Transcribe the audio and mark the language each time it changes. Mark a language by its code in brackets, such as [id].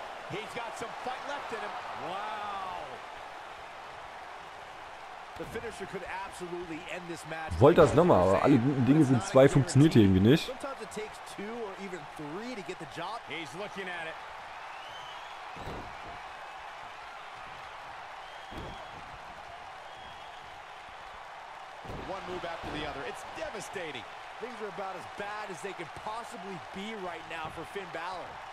[en] He's got some fight left in him. Wow. The finisher could absolutely end this match. [de] Wollte das nochmal, aber alle guten Dinge sind zwei, funktioniert hier irgendwie nicht. [en] Sometimes it takes two or even three to get the job. He's looking at it. One move after the other. It's devastating. Things are about as bad as they could possibly be right now for Finn Balor.